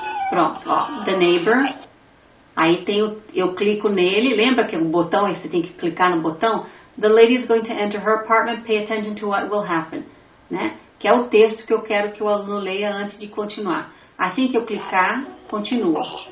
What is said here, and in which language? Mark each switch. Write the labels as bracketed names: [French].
[Portuguese] Pronto, ó, The Neighbor. Aí tem eu clico nele, lembra que é um botão, você tem que clicar no botão? [English] The lady is going to enter her apartment, pay attention to what will happen. [Portuguese] Né? Que é o texto que eu quero que o aluno leia antes de continuar. Assim que eu clicar, continua.